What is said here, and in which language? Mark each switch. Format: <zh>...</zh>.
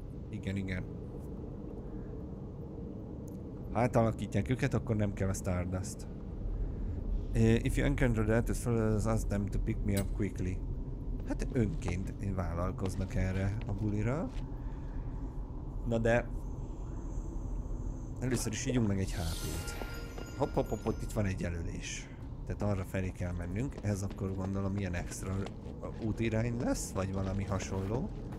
<hu>Igen, igen. Ha átalakítják őket, akkor nem kell a Stardust.</hu> <en>If you encounter that, as well as ask them to pick me up quickly.</en> <hu>Hát önként vállalkoznak erre a bulira. Na de... Először is ígyunk meg egy HP-t. Hopp, hopp, hopp, itt van egy jelölés. Tehát arra felé kell mennünk. Ez akkor gondolom ilyen extra útirány lesz, vagy valami hasonló.</hu>